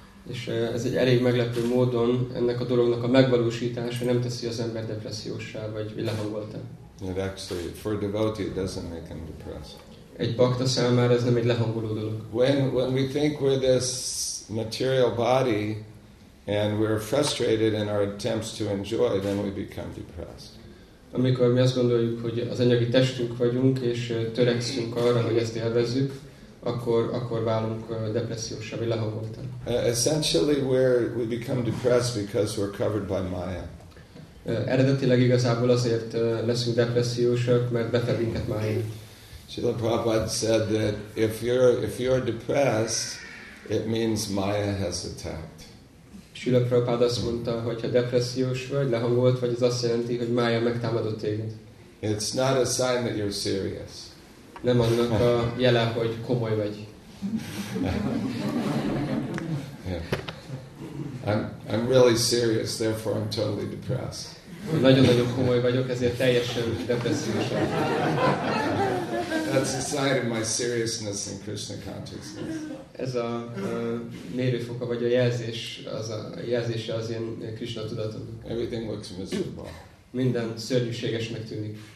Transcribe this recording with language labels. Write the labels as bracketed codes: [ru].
[hu] És ez egy elég meglepő módon ennek a dolognak a megvalósítása nem teszi az ember depressziósá vagy lehangoltá. [en] It actually, for a devotee, it doesn't make him depressed. [hu] Egy bakta számára ez nem egy lehangoló dolog. [en] When we think we're this material body and we're frustrated in our attempts to enjoy, then we become depressed. [hu] Amikor mi azt gondoljuk, hogy az anyagi testünk vagyunk és törekszünk arra, hogy ezt élvezzük, akkor válunk depressziósra, vagy lehangoltan. [en] Essentially, we become depressed because we're covered by Maya. [hu] Eredetileg igazából azért leszünk depressziósak, mert befed minket Maya. [en] Srila Prabhupada said that if you're depressed, it means Maya has attacked. [hu] Srila Prabhupada azt mondta, hogyha depressziós vagy, lehangolt vagy, az azt jelenti, hogy Maya megtámadott téged. [en] It's not a sign that you're serious. [hu] Nem annak a jele, hogy komoly vagy. [en] Yeah. I'm really serious, therefore I'm totally depressed. [hu] Nagyon-nagyon komoly vagyok, ezért teljesen depressziós. [en] That's a sign of my seriousness in Krishna consciousness. [hu] Ez a mérőfoka vagy a jelzés, az a jelzése az én Krishna tudatom. [en] Everything looks miserable. [hu] minden szörnyűséges megtűnik.